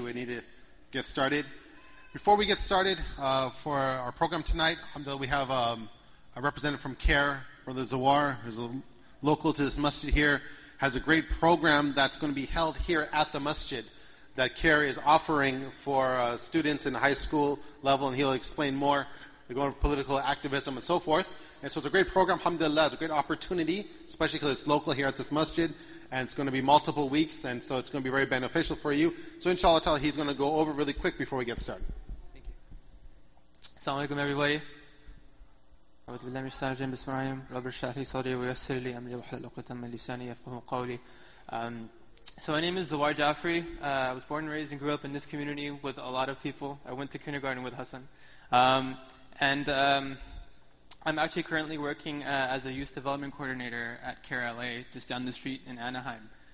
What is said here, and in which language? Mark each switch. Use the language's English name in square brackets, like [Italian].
[English] We need to get started. Before we get started for our program tonight, we have a representative from CARE, Brother Zawar, who's a local to this masjid here, has a great program that's going to be held here at the masjid that CARE is offering for students in high school level, and he'll explain more. They're going for political activism and so forth. And so it's a great program, alhamdulillah. It's a great opportunity, especially because it's local here at this masjid, and it's going to be multiple weeks, and so it's going to be very beneficial for you. So inshallah, ta'ala, he's going to go over really quick before we get started. Thank you. Assalamu alaikum, everybody. [Arabic] أعوذ بالله من الشيطان الرجيم بسم الله الرحمن الرحيم رب اشرح لي صدري ويسر لي امري واحلل عقدة من لساني يفقهوا قولي. [English] So my name is Zawar Jaffrey. I was born and raised and grew up in this community with a lot of people. I went to kindergarten with Hassan. I'm actually currently working as a youth development coordinator at CARE LA, just down the street in Anaheim.